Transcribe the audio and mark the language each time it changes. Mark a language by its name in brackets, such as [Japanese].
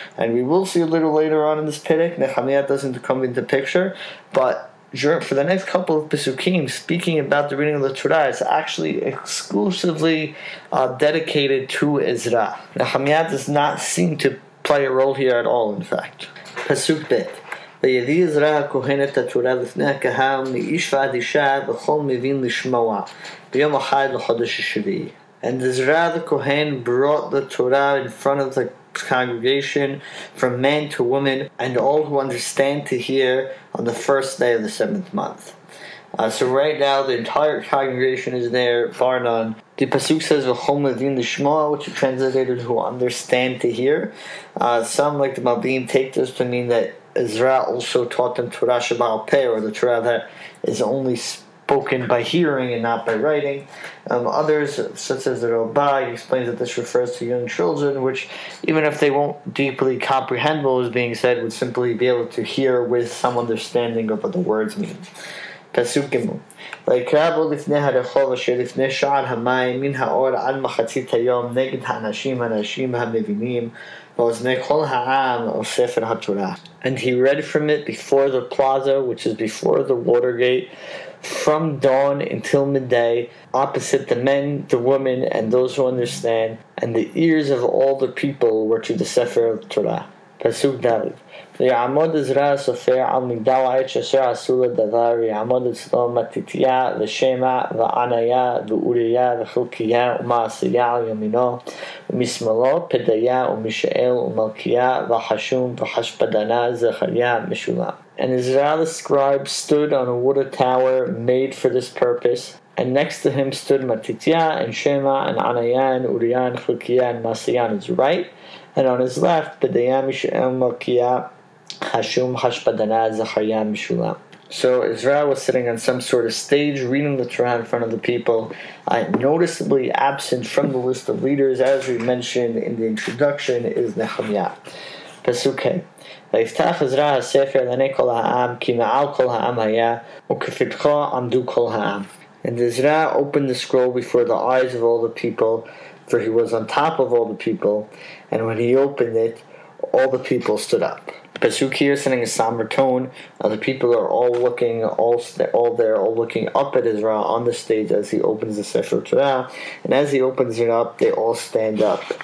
[English] And we will see a little later on in this perek, Nehemiah doesn't come into picture, but for the next couple of pesukim, speaking about the reading of the Torah, it's actually exclusively dedicated to Ezra. Nehemiah does not seem to play a role here at all, in fact. Pesuk bet. [Hebrew] ויהי עזרא הכהן את התורה לפני הקהל מאיש ועד אישה וכל מבין לשמוע ביום אחד לחודש השביעי. [English] And Ezra the Kohen brought the Torah in front of the congregation from man to woman and all who understand to hear on the first day of the seventh month. So right now the entire congregation is there, bar none. The pasuk says [Hebrew] v'chol mevin l'shmoa, [English] which is translated who understand to hear. Some like the Malbim take this to mean that Ezra also taught them Torah Shabbal Peh, or the Torah that is only spoken by hearing and not by writing. Others, such as the Rabbah, explains that this refers to young children, which, even if they won't deeply comprehend what was being said, would simply be able to hear with some understanding of what the words mean. Pesukimu. [Hebrew] ויקרבו לפני הרחוב אשר לפני שער המים, מן האור עד מחצית היום, נגד האנשים הנשים המבינים, ואוזני כל העם, או ספר התורה. [English] And he read from it before the plaza, which is before the water gate, from dawn until midday, opposite the men, the women, and those who understand, and the ears of all the people were to the Sefer of Torah. Pasuk Dalit. [Hebrew] ויעמוד עזרא הסופר על מגדל העץ אשר עשו לדבר, ויעמוד אצלו מתתיה ושמע וענייה ואוריה וחלקיה ומעשיה על ימינו, ומשמאלו פדיה ומישאל ומלכיה וחשום וחשפדנה זכריה משולם. [English] And Ezra the scribe stood on a wooden tower made for this purpose, and next to him stood Matitya and Shema and Anaya and Uriah and Chukia and Masiya on his right, and on his left, Pedaya Mishael Malkia, Hashum Hashpadana Zacharya Mishulam. So Ezra was sitting on some sort of stage reading the Torah in front of the people, noticeably absent from the list of leaders, as we mentioned in the introduction, is Nehemya. Pesukei. [Hebrew] ויפתח עזרא הספר לעיני כל העם, כי מעל כל העם היה, וכפתחו עמדו כל העם. [English] And Ezra opened the scroll before the eyes of all the people, for he was on top of all the people, and when he opened it, all the people stood up. Pasuk here is sending a somber tone. Now the people are all looking, all there, all looking up at Ezra on the stage as he opens the Sefer Torah, and as he opens it up, they all stand up.